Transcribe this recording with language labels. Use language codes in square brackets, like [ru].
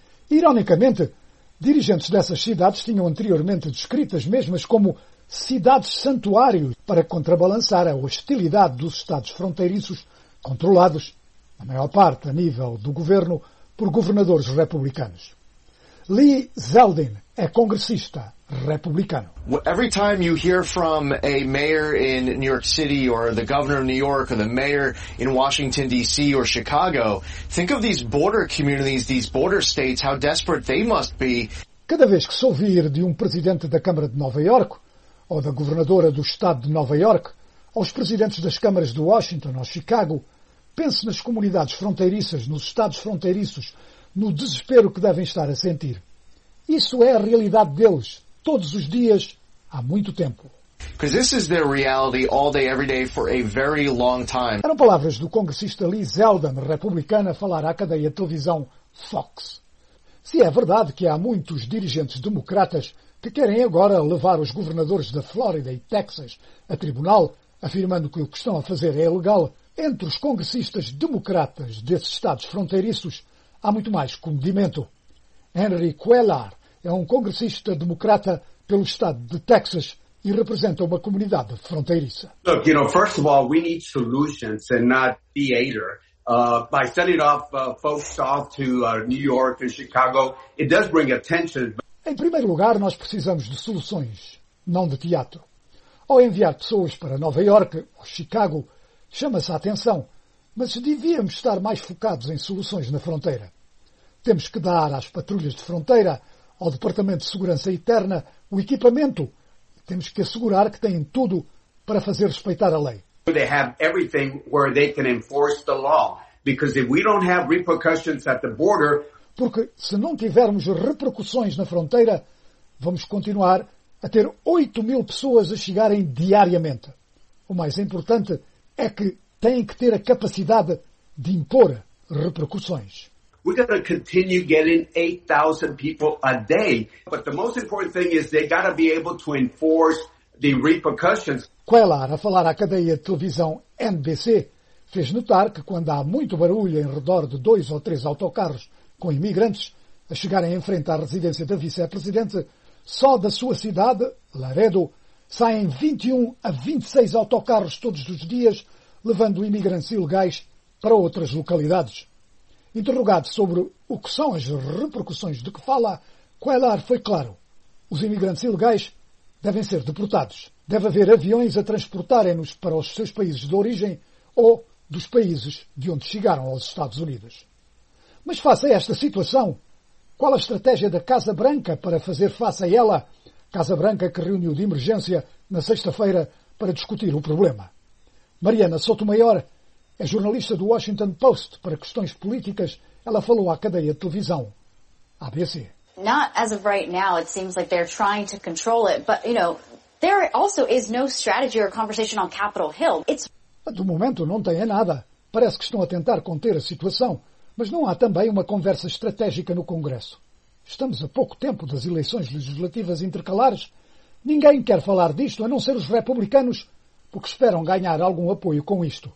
[pt] Ironicamente, dirigentes dessas cidades tinham anteriormente descrito as mesmas como cidades-santuário para contrabalançar a hostilidade dos estados fronteiriços, controlados, na maior parte a nível do governo, por governadores republicanos. Lee Zeldin é congressista republicano. [en] Every time you hear from a mayor in New York City or the governor of New York or the mayor in Washington DC or Chicago, think of these border communities, these border states, how desperate they must be. [pt] Cada vez que se ouvir de um presidente da Câmara de Nova York ou da governadora do estado de Nova York, aos presidentes das câmaras de Washington ou Chicago, pense nas comunidades fronteiriças, nos estados fronteiriços, no desespero que devem estar a sentir. Isso é a realidade deles, todos os dias, há muito tempo. [en] Because this is their reality all day, every day, for a very long time. [pt] Eram palavras do congressista Lee Zeldin, republicana, a falar à cadeia de televisão Fox. Se é verdade que há muitos dirigentes democratas que querem agora levar os governadores da Flórida e Texas a tribunal, afirmando que o que estão a fazer é ilegal, entre os congressistas democratas desses estados fronteiriços, há muito mais comedimento. Henry Cuellar é um congressista democrata pelo estado de Texas e representa uma comunidade fronteiriça. [en] Look, you know, first of all, we need solutions and not theater. By sending off folks off to New York and Chicago, it does bring attention. [pt] Em primeiro lugar, nós precisamos de soluções, não de teatro. Ao enviar pessoas para Nova York ou Chicago, chama-se a atenção, mas devíamos estar mais focados em soluções na fronteira. Temos que dar às patrulhas de fronteira, ao Departamento de Segurança Interna, o equipamento. Temos que assegurar que têm tudo para fazer respeitar a lei. [en] They have everything where they can enforce the law. Because if we don't have repercussions at the border... [pt] Porque se não tivermos repercussões na fronteira, vamos continuar a ter 8 mil pessoas a chegarem diariamente. O mais importante é que têm que ter a capacidade de impor repercussões. [en] We're going to continue getting 8,000 people a day. But the most important thing is they got to be able to enforce the repercussions. [pt] Cuellar, a falar à cadeia de televisão NBC, fez notar que quando há muito barulho em redor de 2 ou 3 autocarros com imigrantes a chegarem em frente à residência da vice-presidente, só da sua cidade, Laredo, saem 21 a 26 autocarros todos os dias, levando imigrantes ilegais para outras localidades. Interrogado sobre o que são as repercussões de que fala, Cuellar foi claro. Os imigrantes ilegais devem ser deportados. Deve haver aviões a transportarem-nos para os seus países de origem ou dos países de onde chegaram aos Estados Unidos. Mas face a esta situação, qual a estratégia da Casa Branca para fazer face a ela? Casa Branca que reuniu de emergência na sexta-feira para discutir o problema. Mariana Sotomayor é jornalista do Washington Post. Para questões políticas, ela falou à cadeia de televisão ABC. [en] Not as of right now, it seems like they're trying to control it, but, you know, there also is no strategy or conversation on Capitol Hill. It's... [pt] Do momento não tem nada. Parece que estão a tentar conter a situação, mas não há também uma conversa estratégica no Congresso. Estamos a pouco tempo das eleições legislativas intercalares. Ninguém quer falar disto, a não ser os republicanos, porque esperam ganhar algum apoio com isto.